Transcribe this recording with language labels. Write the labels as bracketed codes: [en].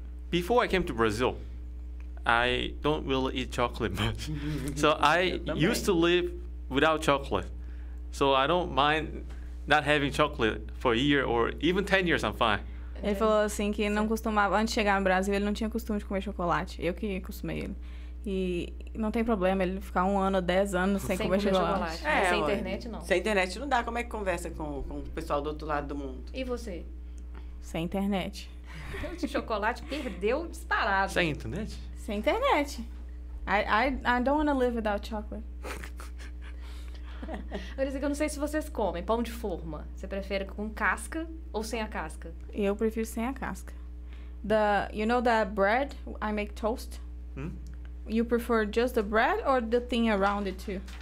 [en] Before I came to Brazil, I don't really eat chocolate much. So I used to live without chocolate. So I don't mind not having chocolate for a year or even 10 years, I'm fine. [pt] Ele falou assim que não costumava, antes de chegar no Brasil, ele não tinha costume de comer chocolate. Eu que acostumei ele. E não tem problema ele ficar 1 ano, 10 anos sem comer chocolate. Sem internet, não. Sem internet não dá. Como é que conversa com o pessoal do outro lado do mundo? E você? Sem internet. O chocolate perdeu disparado. Sem internet? Sem internet. [en] I don't want to live without chocolate. [pt] Eu disse que eu não sei se vocês comem pão de forma. Você prefere com casca ou sem a casca? Eu prefiro sem a casca. [en] The, you know that bread I make toast? You prefer just the bread or the thing around it too?